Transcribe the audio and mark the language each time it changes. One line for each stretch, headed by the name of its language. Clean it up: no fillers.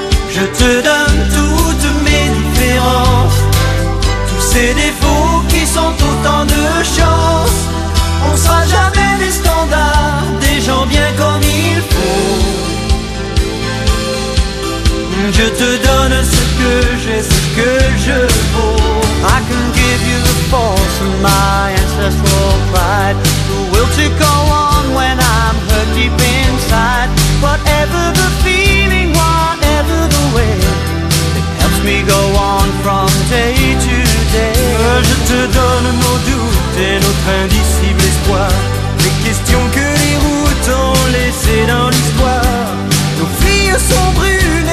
French: Je te donne toutes mes différences, tous ces défauts qui sont autant de chances. On sera jamais des standards, des gens bien comme il faut. Je te donne ce que j'ai, ce que je vaux.
English: I can give you the force of my ancestral pride, the will to go on when I'm hurt deep inside. Whatever the feeling, whatever the way, it helps me go on from day to day.
French: Je te donne nos doutes et notre indicible espoir, les questions que les routes ont laissées dans l'histoire. Nos filles sont brûlées.